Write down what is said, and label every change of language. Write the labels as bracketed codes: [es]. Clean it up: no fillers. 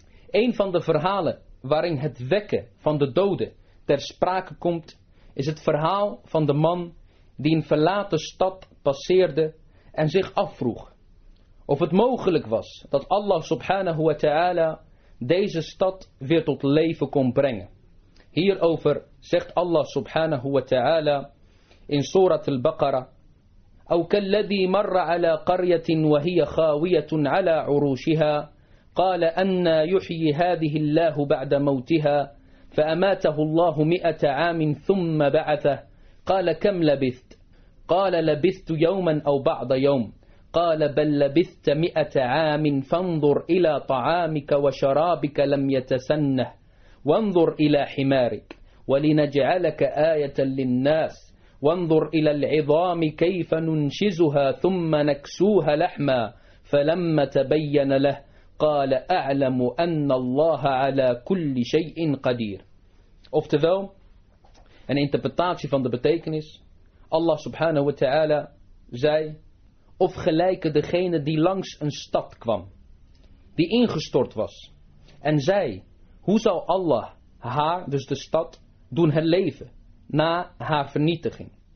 [nl] Een van de verhalen waarin het wekken van de doden ter sprake komt, is het verhaal van de man die een verlaten stad passeerde en zich afvroeg of het mogelijk was dat Allah subhanahu wa ta'ala deze stad weer tot leven kon brengen. Hierover zegt Allah subhanahu wa ta'ala in Surat al-Baqarah: [ar] أو كالذي مر على قرية وهي خاوية على عروشها قال أنى يحيي هذه الله بعد موتها فأماته الله 100 عام ثم بعثه قال كم لبثت قال لبثت يوما أو بعض يوم قال بل لبثت 100 عام فانظر إلى طعامك وشرابك لم يتسنه وانظر إلى حمارك ولنجعلك آية للناس وانظر إلى العظام كيف ننشزها ثم نكسوها لحما فلما تبين له قال أعلم أن الله على كل شيء قدير. [nl] Oftewel, een interpretatie van de betekenis: Allah subhanahu wa ta'ala zei, of gelijke degene die langs een stad kwam, die ingestort was, en zei, hoe zal Allah haar, dus de stad, doen herleven na haar vernietiging?